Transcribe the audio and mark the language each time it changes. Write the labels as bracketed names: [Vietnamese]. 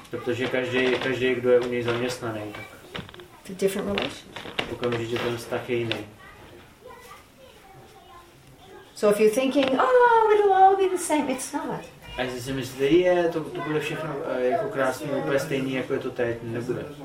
[Czech] Protože každý, kdo je u něj zaměstnaný, tak [English] it's a different relation. [Czech] Okamžitě ten vztah je jiný. [English] So if you're thinking, oh, it'll all be the same, it's not. [Czech] A jestli si myslíte, je, to bude všechno jako krásný, úplně stejný, jako je to teď, nebude.